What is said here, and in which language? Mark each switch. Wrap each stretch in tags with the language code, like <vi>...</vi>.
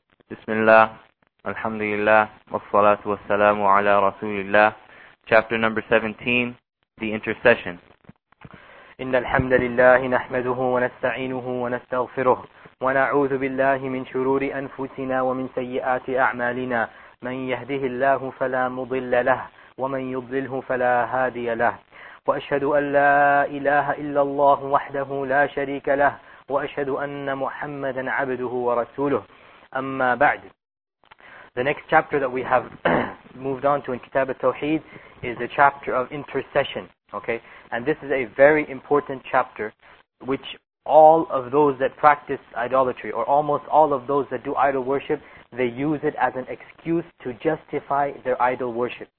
<ar>بسم الله الحمد لله والصلاة والسلام على رسول الله.</ar> <en>Chapter number 17, The Intercession.</en> <ar>إن الحمد لله نحمده ونستعينه ونستغفره ونعوذ بالله من شرور أنفسنا ومن سيئات أعمالنا. من يهده الله فلا مضل له ومن يضلله فلا هادي له. وأشهد أن لا إله إلا الله وحده لا شريك له وأشهد أن محمدا عبده ورسوله. Amma ba'd.</ar> <en>The next chapter that we have moved on to in Kitab al-Tawheed is the chapter of intercession. Okay, and this is a very important chapter, which all of those that practice idolatry, or almost all of those that do idol worship, they use it as an excuse to justify their idol worship.</en>